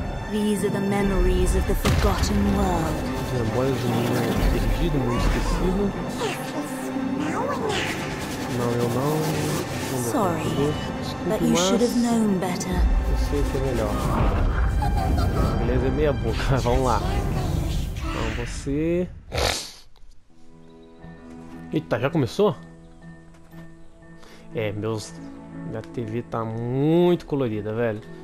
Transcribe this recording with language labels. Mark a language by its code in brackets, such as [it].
[en] These are the memories of the forgotten world. [pt] As memórias do mundo perdido, mundo esquecido. Não, eu não. [en] Sorry, but you should have known better. [pt] Eu sei que é melhor. Beleza, é meia boca, vamos lá. Então você. Eita, já começou? Minha TV tá muito colorida, velho.